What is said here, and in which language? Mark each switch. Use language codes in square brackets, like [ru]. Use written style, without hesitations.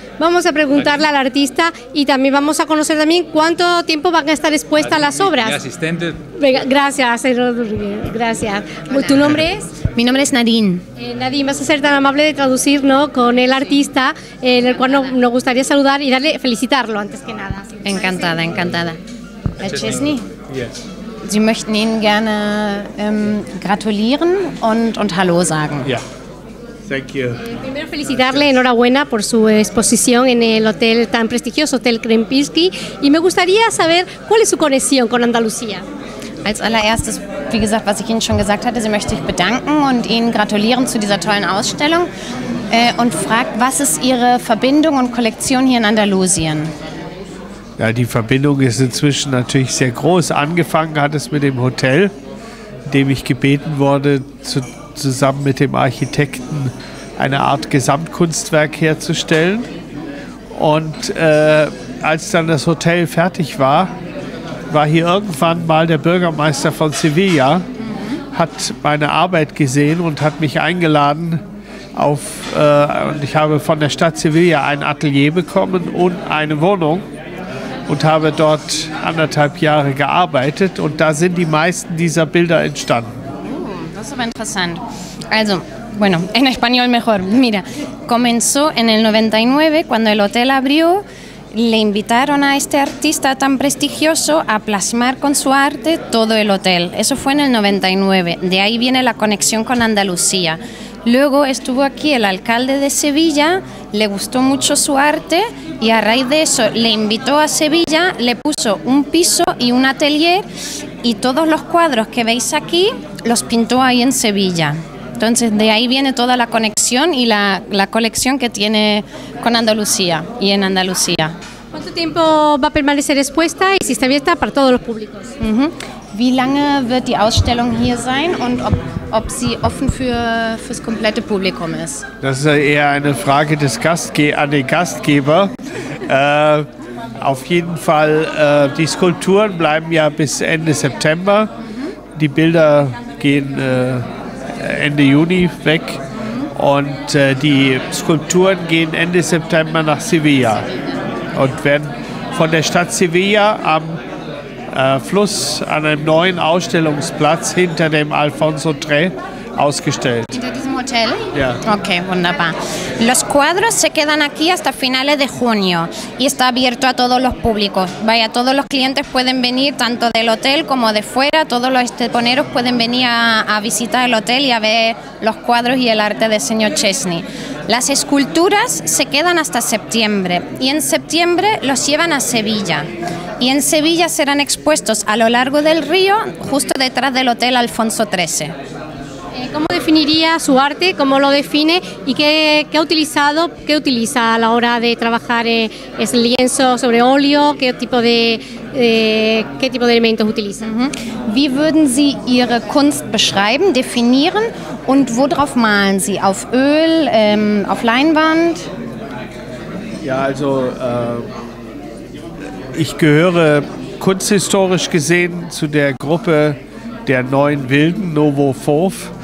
[es] Vamos a preguntarle al artista y también vamos a conocer también cuánto tiempo van a estar expuestas las obras. Mi asistente. Venga, gracias, Rodríguez. Gracias. Hola. ¿Tu nombre es? Mi nombre es Nadine. Nadine, vas a ser tan amable de traducir, ¿no?, con el artista, en el cual nos gustaría saludar y darle, felicitarlo antes que nada. Encantada, encantada. [de] Herr Chesney. [en] Yes. [de] Sie möchten Ihnen gerne gratulieren und Hallo sagen. [en] Ja. Yeah. Thank you. [es] Primero felicitarle, enhorabuena por su exposición en el hotel tan prestigioso, Hotel Krempinski, y me gustaría saber cuál es su conexión con Andalucía. [de] Als allererstes, wie gesagt, was ich Ihnen schon gesagt hatte, Sie möchte ich bedanken und Ihnen gratulieren zu dieser tollen Ausstellung und fragt, was ist Ihre Verbindung und Kollektion hier in Andalusien? Ja, die Verbindung ist inzwischen natürlich sehr groß. Angefangen hat es mit dem Hotel, in dem ich gebeten wurde, zusammen mit dem Architekten eine Art Gesamtkunstwerk herzustellen. Und als dann das Hotel fertig war, war hier irgendwann mal der Bürgermeister von Sevilla, hat meine Arbeit gesehen und hat mich eingeladen auf, und ich habe von der Stadt Sevilla ein Atelier bekommen und eine Wohnung und habe dort anderthalb Jahre gearbeitet und da sind die meisten dieser Bilder entstanden. Das ist aber interessant. [es] Also, bueno, en español mejor. Mira, comenzó en el 99 cuando el hotel abrió. Le invitaron a este artista tan prestigioso a plasmar con su arte todo el hotel. Eso fue en el 99. De ahí viene la conexión con Andalucía. Luego estuvo aquí el alcalde de Sevilla, le gustó mucho su arte y a raíz de eso le invitó a Sevilla, le puso un piso y un atelier y todos los cuadros que veis aquí los pintó ahí en Sevilla. Entonces, de ahí viene toda la conexión y la colección que tiene con Andalucía y en Andalucía. ¿Cuánto tiempo va a permanecer expuesta y si está abierta para todos los públicos? [de] Wie lange wird die Ausstellung hier sein und ob sie offen fürs komplette Publikum ist? Das ist eher eine Frage des an den Gastgeber. auf jeden Fall, die Skulpturen bleiben ja bis Ende September. Die Bilder gehen Ende Juni weg und die Skulpturen gehen Ende September nach Sevilla und werden von der Stadt Sevilla am Fluss an einem neuen Ausstellungsplatz hinter dem Alfonso Tré ausgestellt. Hinter diesem Hotel? Ja. Okay, wunderbar. [es] Los cuadros se quedan aquí hasta finales de junio y está abierto a todos los públicos. Vaya, todos los clientes pueden venir tanto del hotel como de fuera, todos los teponeros pueden venir a visitar el hotel y a ver los cuadros y el arte del señor Chesney. Las esculturas se quedan hasta septiembre y en septiembre los llevan a Sevilla. Y en Sevilla serán expuestos a lo largo del río, justo detrás del hotel Alfonso XIII. ¿Cómo definiría su arte? ¿Cómo lo define? ¿Y qué ha utilizado? ¿Qué utiliza a la hora de trabajar es lienzo sobre óleo? ¿Qué tipo de elementos utiliza? [de] Wie würden Sie Ihre Kunst beschreiben, definieren? ¿Und worauf malen Sie? ¿Auf Öl? ¿Auf Leinwand? Ja, also, ich gehöre kunsthistorisch gesehen zu der Gruppe der neuen Wilden, Novo Fauve.